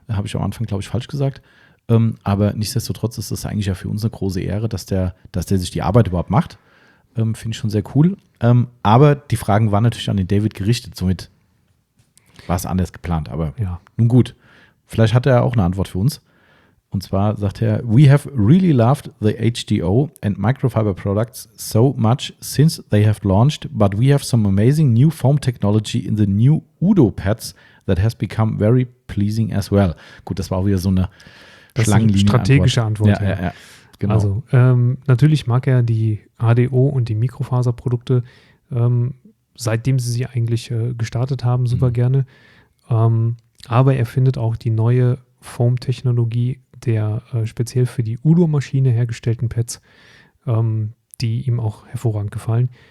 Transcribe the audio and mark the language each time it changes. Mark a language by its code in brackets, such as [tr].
[de] Habe ich am Anfang, glaube ich, falsch gesagt. Aber nichtsdestotrotz ist das eigentlich ja für uns eine große Ehre, dass der sich die Arbeit überhaupt macht. Finde ich schon sehr cool. Aber die Fragen waren natürlich an den David gerichtet. Somit war es anders geplant. Aber nun gut. Vielleicht hat er auch eine Antwort für uns. Und zwar sagt er, [en] we have really loved the HDO and microfiber products so much since they have launched, but we have some amazing new foam technology in the new Udo pads that has become very pleasing as well. [de] Gut, das war auch wieder so eine Schlangenlinie. Strategische Antwort. Ja. Genau. Also natürlich mag er die HDO und die Mikrofaserprodukte, seitdem sie eigentlich gestartet haben, super gerne. Aber er findet auch die neue Foam-Technologie der speziell für die Udo-Maschine hergestellten Pads, die ihm auch hervorragend gefallen.